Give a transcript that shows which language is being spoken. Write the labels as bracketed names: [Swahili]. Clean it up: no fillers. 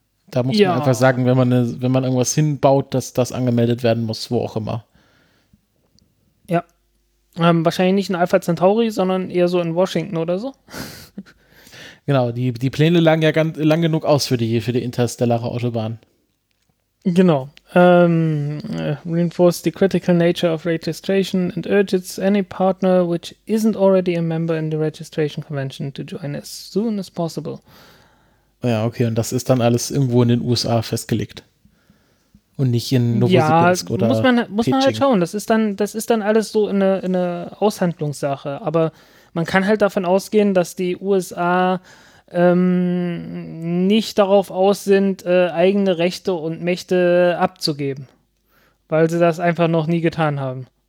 [German] Da muss man einfach sagen, wenn man irgendwas hinbaut, dass das angemeldet werden muss, wo auch immer. Ja. Wahrscheinlich nicht in Alpha Centauri, sondern eher so in Washington oder so. Genau, die Pläne lagen ja ganz lang genug aus für die interstellare Autobahn. Genau. [English] Reinforce the critical nature of registration and urges any partner which isn't already a member in the registration convention to join as soon as possible. [German] Ja, okay, und das ist dann alles irgendwo in den USA festgelegt. Und nicht in Novosibirsk oder muss man halt schauen. Das ist dann alles so eine Aushandlungssache. Aber man kann halt davon ausgehen, dass die USA nicht darauf aus sind, eigene Rechte und Mächte abzugeben, weil sie das einfach noch nie getan haben.